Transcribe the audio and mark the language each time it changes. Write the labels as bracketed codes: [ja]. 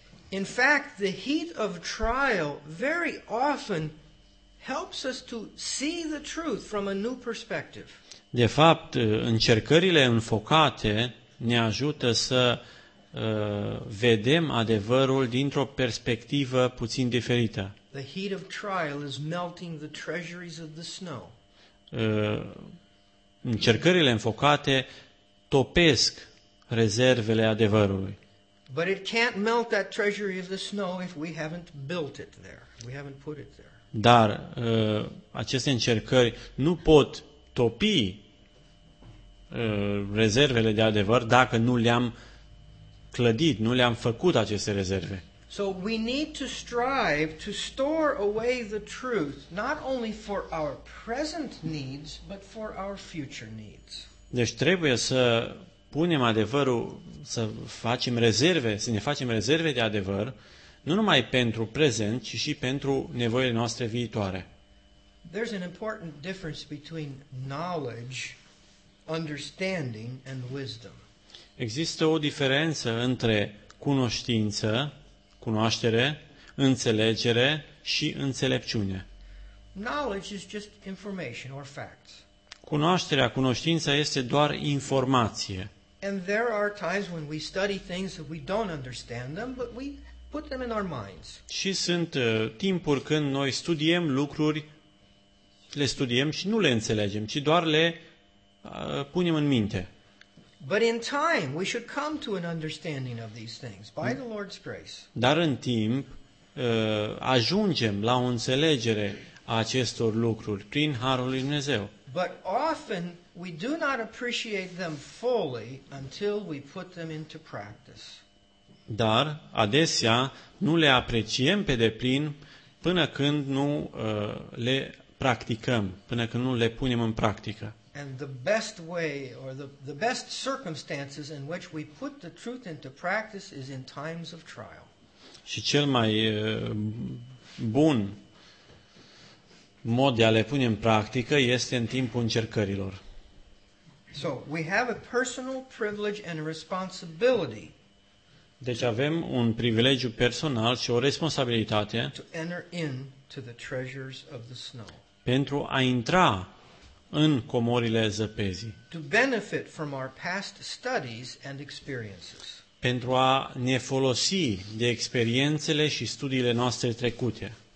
[en] In fact, the heat of trial very often helps us to see the truth from a new perspective. [ro] De fapt, încercările înfocate ne ajută să vedem adevărul dintr-o perspectivă puțin diferită. [en] The heat of trial is melting the treasuries of the snow. [ro] Încercările înfocate topesc rezervele adevărului. [en] But it can't melt that treasury of the snow if we haven't built it there. We haven't put it there. [ro] Dar aceste încercări nu pot topi rezervele de adevăr dacă nu le-am clădit, nu le-am făcut aceste rezerve. [en] So we need to strive to store away the truth, not only for our present needs, but for our future needs. [ro] Deci trebuie să punem adevărul, să facem rezerve, să ne facem rezerve de adevăr, nu numai pentru prezent, ci și pentru nevoile noastre viitoare. [en] There's an important difference between knowledge, understanding and wisdom. [ro] Există o diferență între cunoștință, cunoaștere, înțelegere și înțelepciune. [en] Knowledge is just information or facts. [ro] Cunoașterea, cunoștința este doar informație. [en] And there are times when we study things that we don't understand them, but we put them in our minds. [ro] Și sunt timpuri când noi studiem lucruri, le studiem și nu le înțelegem, ci doar le punem în minte. [en] But in time we should come to an understanding of these things by the Lord's grace. [ro] Dar în timp ajungem la o înțelegere a acestor lucruri prin harul lui Dumnezeu. [en] But often we do not appreciate them fully until we put them into practice. [ro] Dar adesea nu le apreciem pe deplin până când nu le practicăm, până când nu le punem în practică. [en] And the best way or the best circumstances in which we put the truth into practice is in times of trial. [ro] Și cel mai bun mod de a le pune în practică este în timpul încercărilor. [en] So, we have a personal privilege and a responsibility. [ro] Deci avem un privilegiu personal și o responsabilitate. [en] To enter into the treasures of the snow. [ro] Pentru a intra în comorile zăpezii. [en] To benefit from our past studies and experiences. [ro] Pentru a ne folosi de experiențele și studiile noastre trecute.